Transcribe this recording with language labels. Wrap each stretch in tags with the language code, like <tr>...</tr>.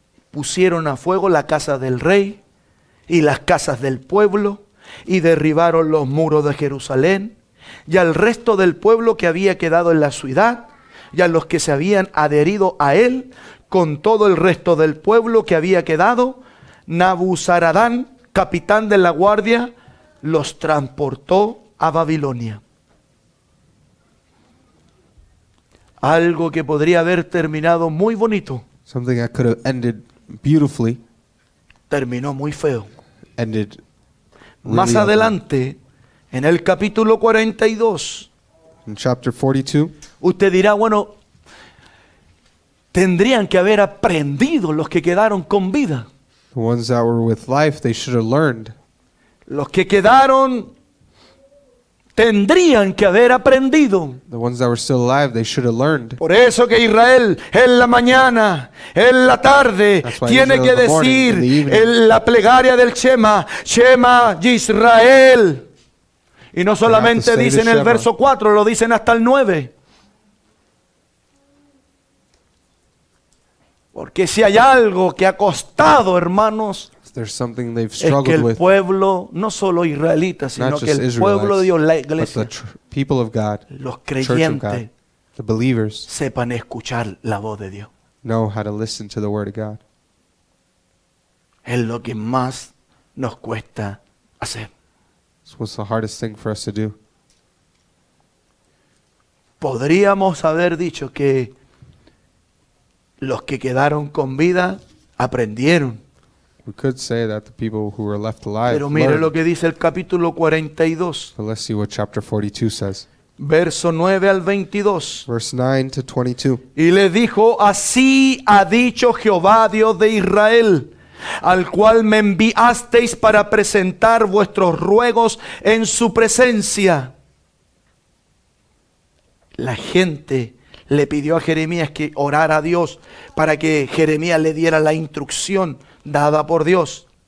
<es>Pusieron a fuego la casa del rey y las casas del pueblo y derribaron los muros de Jerusalén y al resto del pueblo que había quedado en la ciudad y a los que se habían adherido a él con todo el resto del pueblo que había quedado, Nabuzaradán, capitán de la guardia, los transportó a Babilonia. Algo que podría haber terminado muy bonito.</es> <en>Something that could have ended beautifully.</en> <es>Terminó muy feo.</es> <en>Ended really</en> <es>más adelante,</es> <en>ugly.</en> <es>En el capítulo 42.</es> <en>In chapter 42.</en> <es>Usted dirá, bueno, tendrían que haber aprendido los que quedaron con vida.</es> <en>The ones that were with life, they should have learned.</en> <es>Los que quedaron tendrían que haber aprendido.</es> <en>The ones that were still alive, they should have learned.</en> <es>Por eso que Israel en la mañana, en la tarde, tiene</es> <en>Israel</en> <es>que decir</es> <en>morning,</en> <es>en la plegaria del Shema, Shema Israel. Y no solamente dicen el verso 4, lo dicen hasta el 9. Porque si hay algo que ha costado, hermanos,</es> <en>there's something they've struggled</en> <es>es que el</es> <en>with.</en> <es>Pueblo, no solo israelita, sino</es> <en>not just</en> <es>que el</es> <en>Israelites,</en> <es>pueblo de Dios, la iglesia,</es> <en>people of God,</en> <es>los creyentes,</es> <en>Church of God, the believers,</en> <es>sepan escuchar la voz de Dios.</es> <en>Know how to listen to the word of God.</en> <es>Es lo que más nos cuesta hacer.</es> <en>It's what's the hardest thing for us to do.</en> <es>Podríamos haber dicho que los que quedaron con vida aprendieron.</es> <en>We could say that the people who were left alive.</en> <es>Pero mire</es> <en>learned.</en> <es>Lo que dice el capítulo 42.</es> <en>But let's see what chapter 42 says.</en> <es>Verso 9 al 22.</es> <en>Verse 9 to 22.</en> <es>Y le dijo, así ha dicho Jehová Dios de Israel, al cual me enviasteis para presentar vuestros ruegos en su presencia. La gente le pidió a Jeremías que orara a Dios para que Jeremías le diera la instrucción dada por Dios.</es>